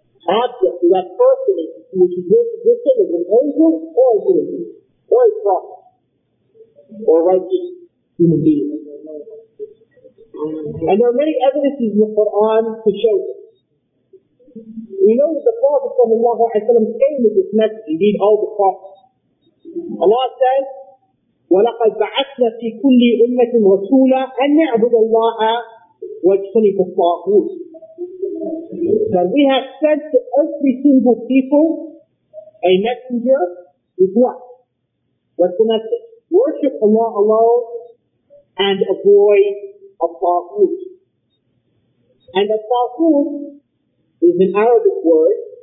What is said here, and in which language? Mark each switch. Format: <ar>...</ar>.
<en>object, that person which is worshipped with him, is an angel or a human being, or a prophet, or a righteous human being. And there are many evidences in the Quran to show this. We know that the Prophet sallallahu alaihi wasallam came with this message, indeed all the prophets. Allah says,</en> <ar>وَلَقَدْ بَعَثْنَا فِي كُلِّ أُمَّةٍ رَسُولًا أَنْ نَعْبُدَ اللَّهَ وَاجْتَنِبَ الطَّاغُوتَ.</ar> <en>That we have sent to every single people a messenger with what? What's the message? Worship Allah alone and avoid a taghut. And a taghut is an Arabic word</en>